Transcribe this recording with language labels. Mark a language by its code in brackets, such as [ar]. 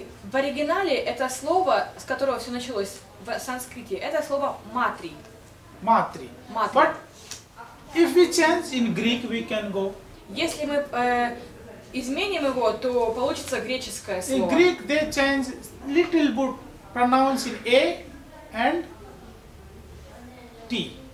[ru] В оригинале это слово, с которого все началось в санскрите, это слово матри. Matri. Matri. [en] But if we change in Greek, we can go. [ru] Если мы изменим его, то получится греческое слово. [en] In Greek, they change little bit pronouncing a and t.